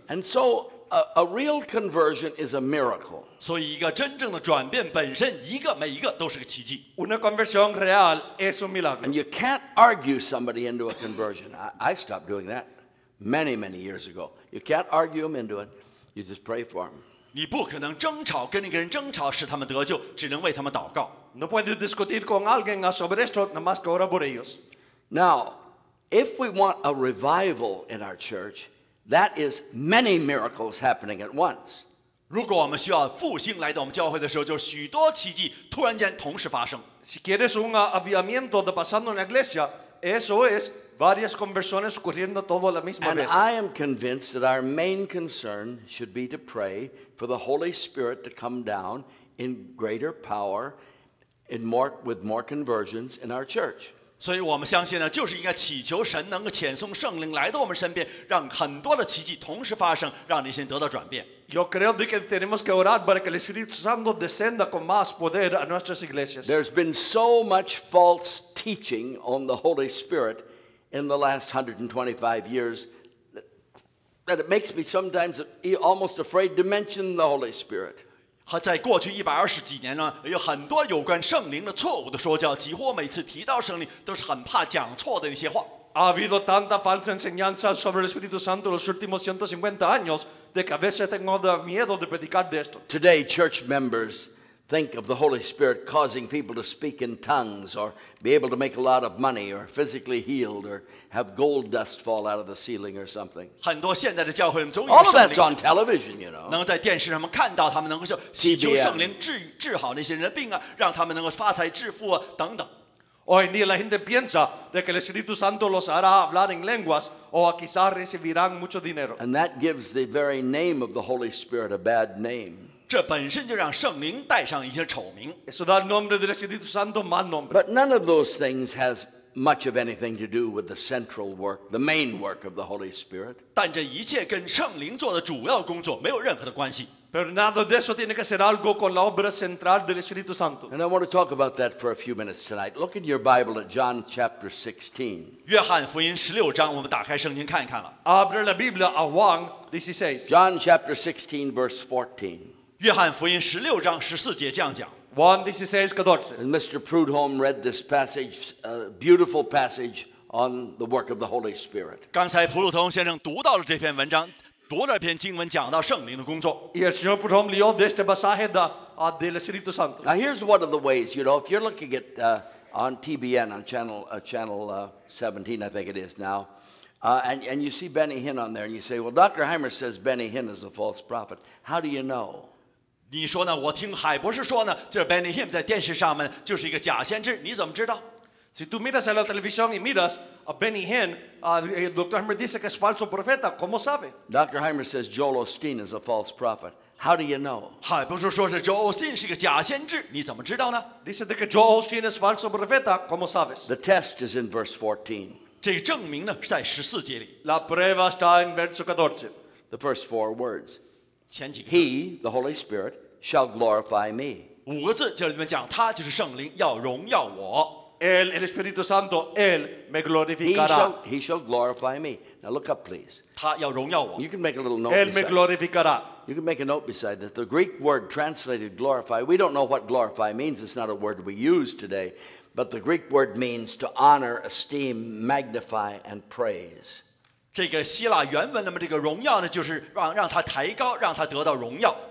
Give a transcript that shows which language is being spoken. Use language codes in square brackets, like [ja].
[en] And soA real conversion is a miracle. [zh] 所以一个真正的转变本身一个每一个都是个奇迹。 [es] Una conversión real es un milagro. [en] And you can't argue somebody into a conversion. I stopped doing that many, many years ago. You can't argue them into it. You just pray for them. [zh] 你不可能争吵跟那个人争吵使他们得救，只能为他们祷告。 [es] No puedes discutir con alguien sobre esto, nada más que orar por ellos. [en] Now, if we want a revival in our church,That is many miracles happening at once. [zh] 如果我们需要复兴来到我们教会的时候，就许多奇迹突然间同时发生。 [es] Si quieres un avivamiento de pasando en la iglesia, eso es varias conversiones ocurriendo todo a la misma vez. [en] And I am convinced that our main concern should be to pray for the Holy Spirit to come down in greater power, with more conversions in our church. [zh] 所以我们相信呢，就是应该祈求神能够遣送圣灵来到我们身边，让很多的奇迹同时发生，让那些人得到转变。 [es] Yo creo que tenemos que orar para que el Espíritu Santo descienda con más poder a nuestras iglesias. [en] There's been so much false teaching on the Holy Spirit in the last 125 years that it makes me sometimes almost afraid to mention the Holy Spirit. [zh] 和在过去120几年呢，有很多有关圣灵的错误的说教，几乎每次提到圣灵都是很怕讲错的那些话。 [es] Ha habido tanta falsa enseñanza sobre el Espíritu Santo los últimos 150 años de que a veces tengo miedo de predicar de esto. [en] Today, church members think of the Holy Spirit causing people to speak in tongues or be able to make a lot of money or physically healed or have gold dust fall out of the ceiling or something. Many of today's churches, all of that's on television, you know. [zh] 能在电视上面看到他们能够祈求圣灵治好那些人的病啊，让他们能够发财致富啊，等等。 [es] Hoy en día la gente piensa de que el Espíritu Santo los hará hablar en lenguas o quizás recibirán mucho dinero. [en] And that gives the very name of the Holy Spirit a bad name. [zh] 这本身就让圣灵带上一些丑名。 [es] Eso da el nombre del Espíritu Santo mal nombre. [en] But none of those things has much of anything to do with the central work, the main work of the Holy Spirit. [zh] 但这一切跟圣灵做的主要工作没有任何的关系。 [es] Pero nada de eso tiene que ser algo con la obra central del Espíritu Santo. [en] And I want to talk about that for a few minutes tonight. Look in your Bible at John chapter 16. [zh] 约翰福音十六章，我们打开圣经看一看了。 [es] Abre la Biblia a Juan 16. [en] John chapter 16 verse 14. [zh] 约翰福音十六章十四节这样讲 1:14 [en] And Mr. Prudhomme read this passage, a beautiful passage on the work of the Holy Spirit. [zh] 刚才普鲁通先生读到了这篇文章，读了篇经文，讲到圣灵的工作。 [es] Yes, Mr. Prudhomme leo este pasaje del Espíritu Santo. [en] Now here's one of the ways, you know, if you're looking at on TBN, on channel 17, I think it is now,and you see Benny Hinn on there, and you say, well, Dr. Hymers says Benny Hinn is a false prophet. How do you know? [zh] 你说呢？我听海博士说呢，就是 Benny Hinn 在电视上面就是一个假先知，你怎么知道 [es] ？Si tú miras a la televisión y miras a Benny Hinn, Dr. Hymers dice que es falso profeta. ¿Cómo sabe? [en] Dr. Hymers says Joel Osteen is a false prophet. How do you know? [zh] 海博士说是 Joel Osteen 是个假先知，你怎么知道呢 [es] ？Dice que Joel Osteen es falso profeta. ¿Cómo sabes? [en] The test is in verse 14. [zh] 这个证明呢是在十四节里。 [es] La prueba está en verso 14. [en] The first four words. [zh] 前几个字 [en] He, the Holy Spirit, shall glorify me. [zh] 五个字，就是你们讲，他就是圣灵，要荣耀我。 [es] El Espíritu Santo, él me glorificará. [en] He shall glorify me. Now look up, please. [zh] 他要荣耀我。 [en] You can make a little note. [es] Él me glorificará. [en] You can make a note beside that. The Greek word translated glorify, we don't know what glorify means. It's not a word we use today. But the Greek word means to honor, esteem, magnify, and praise. [zh] 这个希腊原文，那么这个荣耀呢，就是 让他抬高，让他得到荣耀。